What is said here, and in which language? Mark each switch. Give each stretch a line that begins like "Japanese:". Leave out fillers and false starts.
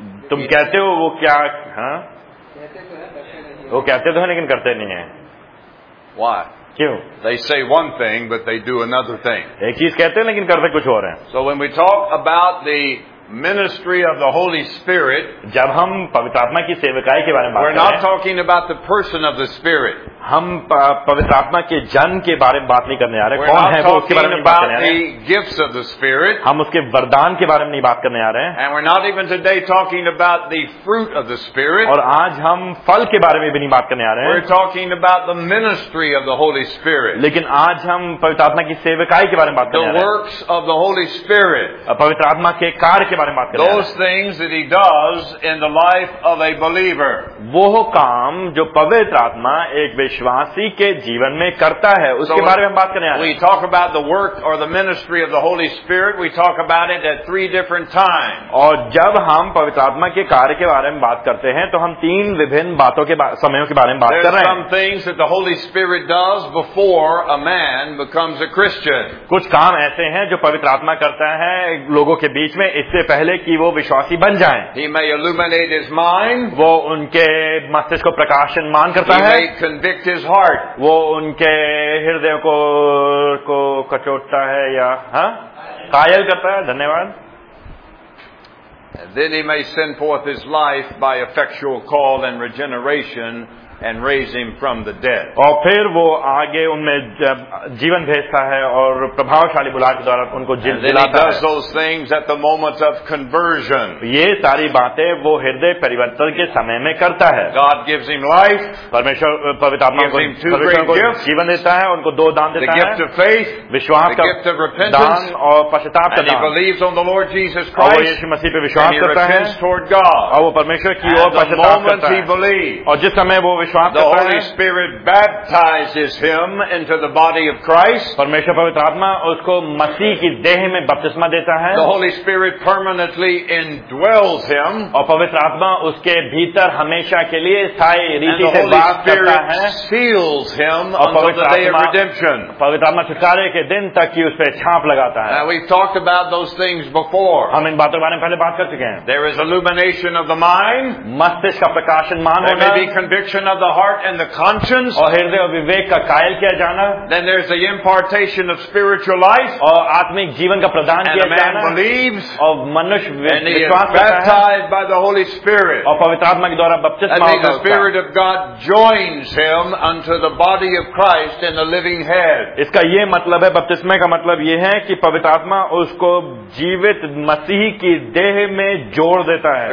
Hindi: तुम कहते हो वो क्या हाँ वो कहते तो हैं लेकिन करते नहीं हैं.
English: Why?
Hindi: क्यों?
English: They say one thing, but they do another thing.
Hindi: एक चीज कहते हैं लेकिन करते कुछ और हैं.
English: So when we talk about the ministry of the Holy Spirit.
Hindi: जब हम पवित्र आत्मा की सेवकाई के बारे में बात करते हैं,
English: we're not talking about the person of the Spirit.
Hindi: हम पवित्र आत्मा के जन के बारे में बात नहीं करने आ रहे.
English: We're
Hindi: कौन है वो उसके बारे में बात करने आ रहे.
English: The gifts of the Spirit.
Hindi: हम उसके वरदान के बारे में नहीं बात करने आ रहे.
English: And we're not even today talking about the fruit of the Spirit.
Hindi: और आज हम फल के बारे में भी नहीं बात करने आ रहे.
English: We're talking about the ministry of the Holy Spirit.
Hindi: लेकिन आज हम पवित्र आत्मा की सेवकाई के बारे में बात करने आ रहे.
English: The works of the Holy Spirit.
Hindi: पवित्र आत्मा के कार्य के बारे में बात करें.
English: Those things that he does in the life of a believer.
Hindi: वो काम जो पवित्र आत्मा एक विश्वास विश्वासी के जीवन में करता है उसके बारे में हम बात करने आ रहे हैं.
English: We talk about the work or the ministry of the Holy Spirit. We talk about it at three different times.
Hindi: और जब हम पवित्र आत्मा के कार्य के बारे में बात करते हैं तो हम तीन विभिन्न बातों के समयों के बारे में बात कर रहे हैं.
English: There are some things that the Holy Spirit does before a man becomes a Christian.
Hindi: कुछ काम ऐसे हैं जो पवित्र आत्मा करता है लोगों के बीच में इससे पहले कि वो विश्वासी बन जाए.
English: He may illuminate his mind.
Hindi: वो उनके मस्तिष्क को प्रकाशन मान करता है.
English: He may convict his heart.
Hindi: वो उनके हृदय को कचोटता है या हाँ कायल करता है. धन्यवाद.
English: Then he may send forth his life by effectual call and regeneration and raise him from the dead.
Hindi: और फिर वो आगे उनमें जीवन भेजता है और प्रभावशाली बुलाह के द्वारा उनको जिलाता है.
English: Those things at the moment of conversion.
Hindi: ये सारी बातें वो हृदय परिवर्तन के समय में करता है.
English: God gives him life.
Hindi: परमेश्वर पवित्र आत्मा को जीवन देता है. उनको दो दान देता है.
English: The gift of faith.
Hindi: विश्वास का दान और पश्चाताप का दान.
English: He believes on the Lord Jesus Christ.
Hindi: और यीशु मसीह पे विश्वास करता है.
English: And he repents toward God.
Hindi: और वो परमेश्वर की ओर पश्चाताप करता है. और जिस समय वो
English: The Holy Spirit baptizes him into the body of Christ.
Hindi: परमेश्वर पवित्र आत्मा उसको मसीह की देह में बपतिस्मा देता है.
English: The Holy Spirit permanently indwells him.
Hindi: और पवित्र आत्मा उसके भीतर हमेशा के लिए स्थायी रीति से वास करता है.
English: Seals him until the day of redemption.
Hindi: पवित्र आत्मा छुटकारे के दिन तक ही उस पर छाप लगाता है.
English: Now we've talked about those things before.
Hindi: हम इन बातों के बारे में पहले बात कर चुके हैं.
English: There is illumination of the mind.
Hindi: मस्तिष्क का प्रकाशन मान होना.
English: There may be conviction. Of the heart and the conscience.
Hindi: और हृदय और विवेक का कायल किया जाना.
English: Then there's the impartation of spiritual life.
Hindi: और आत्मिक जीवन का प्रदान किया जाना.
English: And a man believes.
Hindi: और मनुष्य विश्वास करता है.
English: And he is baptized by the Holy Spirit.
Hindi: और पवित्र आत्मा के द्वारा बपतिस्मा होता है.
English: And the Spirit of God joins him unto the body of Christ in the living head.
Hindi: इसका ये मतलब है बपतिस्मे का मतलब ये है कि पवित्र आत्मा उसको जीवित मसीह की देह में जोड़ देता है.